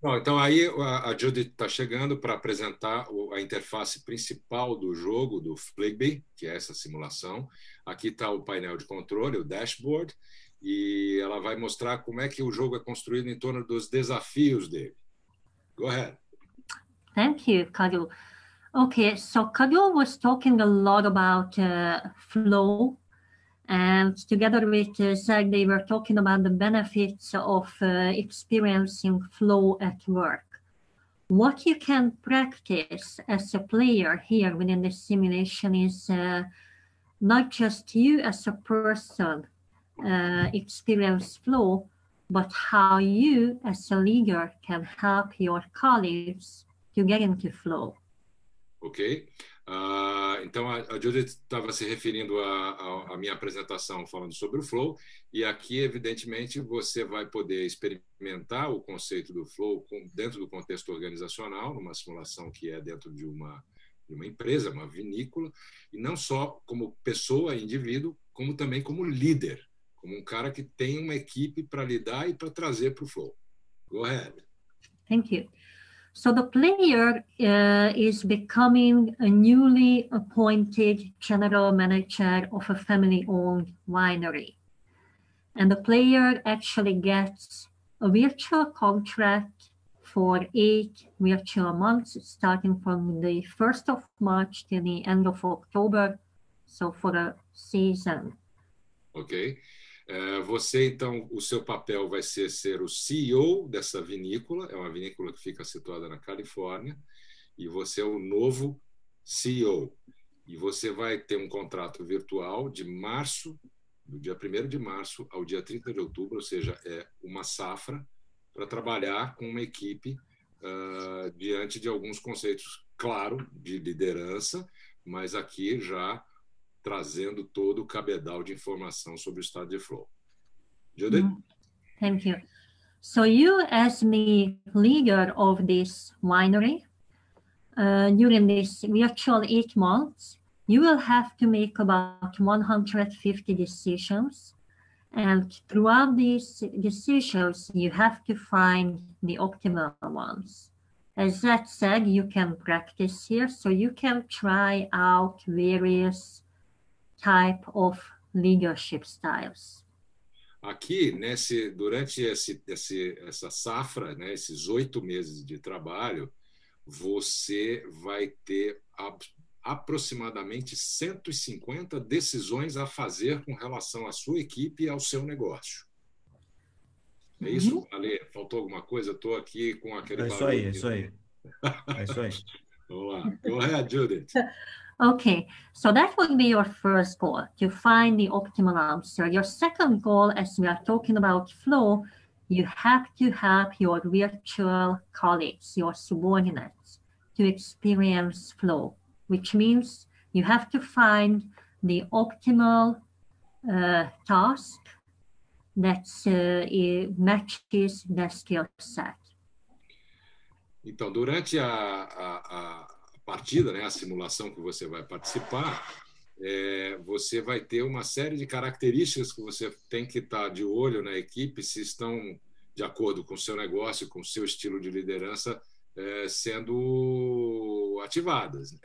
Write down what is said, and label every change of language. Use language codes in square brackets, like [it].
[pt] Então aí a Judith está chegando para apresentar a interface principal do jogo, do Flygt, que é essa simulação. Aqui está o painel de controle, o dashboard. E ela vai mostrar como é que o jogo é construído em torno dos desafios dele. [en] Go ahead. Thank you, Kadu. Okay, so Kadu was talking a lot about flow. And together with Zach, they were talking about the benefits of experiencing flow at work. What you can practice as a player here within this simulation is not just you as a person, experience flow, but how you as a leader can help your colleagues to get into flow. Ok. [pt] Então a Judith estava se referindo à minha apresentação falando sobre o flow, e aqui evidentemente você vai poder experimentar o conceito do flow dentro do contexto organizacional, numa simulação que é dentro de uma empresa, uma vinícola, e não só como pessoa, indivíduo, como também como líder. Como um cara que tem uma equipe para lidar e para trazer para o flow. [en] Go ahead. Thank you. So the player is becoming a newly appointed general manager of a family-owned winery. And the player actually gets a virtual contract for 8 virtual months, starting from the 1st of March to the end of October, so for a season. Ok. [pt] Você, então, o seu papel vai ser o CEO dessa vinícola, é uma vinícola que fica situada na Califórnia, e você é o novo CEO. E você vai ter um contrato virtual de março, do dia 1º de março ao dia 30 de outubro, ou seja, é uma safra, para trabalhar com uma equipe diante de alguns conceitos, claro, de liderança, mas aqui já trazendo todo o cabedal de informação sobre o estado de flow. Judith? [en] Thank you. So you as the leader of this winery, during this virtual 8 months, you will have to make about 150 decisions. And throughout these decisions, you have to find the optimal ones. As that said, you can practice here, so you can try out various type of leadership styles. [pt] Aqui, nesse, durante essa safra, né, esses 8 meses de trabalho, você vai ter aproximadamente 150 decisões a fazer com relação à sua equipe e ao seu negócio. É isso, Ale? Faltou alguma coisa? Estou aqui com aquele barulho. É isso aí. Vamos lá. [en] Go ahead, [pt] Judith. [en] Okay, so that would be your first goal, to find the optimal answer. Your second goal, as we are talking about flow, you have to help your virtual colleagues, your subordinates, to experience flow, which means you have to find the optimal task that matches the skill set. [pt] Então, durante a partida, né, a simulação que você vai participar, você vai ter uma série de características que você tem que estar de olho na equipe, se estão de acordo com o seu negócio, com o seu estilo de liderança, sendo ativadas.